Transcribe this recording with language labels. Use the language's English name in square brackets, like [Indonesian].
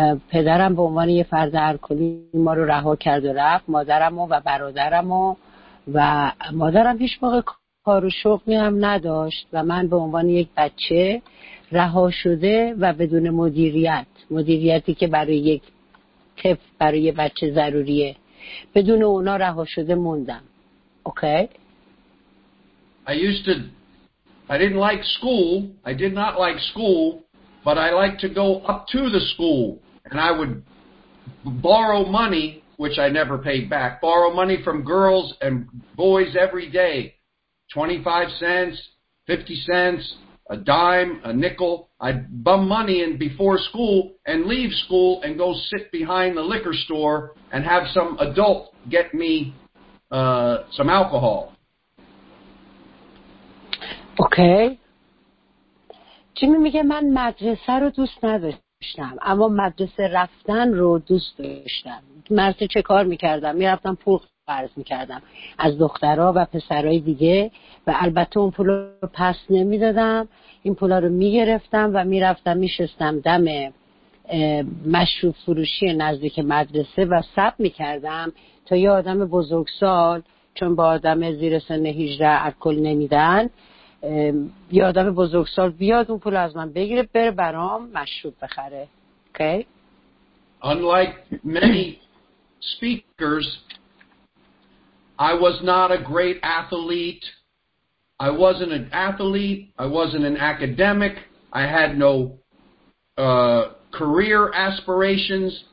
[Persian] پدرم به عنوان یه فرد الکلی ما رو رها کرد و رفت، مادرمو و برادرمو، و مادرم هیچ موقع کار و شغلی هم نداشت و من به عنوان یک بچه رها شده و بدون مدیریت، مدیریتی که برای یک طفل، برای یک بچه ضروریه، بدون اونا رها شده موندم. [English] Okay. I did not like school, but I liked to go up to the school and I would borrow money, which I never paid back. Borrow money from girls and boys every day. 25 cents, 50 cents, a dime, a nickel. I'd bum money in before school and leave school and go sit behind the liquor store and have some adult get me some alcohol. Okay. [Persian] Jimmy میگه من مدرسه رو دوست نداشتم، اما مدرسه رفتن رو دوست داشتم. مدرسه چه کار میکردم؟ میرفتم پول قرض میکردم از دخترها و پسرهای دیگه و البته اون پول رو پس نمیدادم. این پولا رو میگرفتم و میرفتم میشستم دم مشروب فروشی نزدیک مدرسه و صبر میکردم تا یه آدم بزرگسال، چون با آدم زیر سن 18 الکل نمیدن، یه آدم بزرگسال بیاد اون پول از من بگیره بره برام مشروب بخره. [English] Okay. Unlike many speakers, I was not a great athlete. I wasn't an athlete. I wasn't an academic. I had no career aspirations.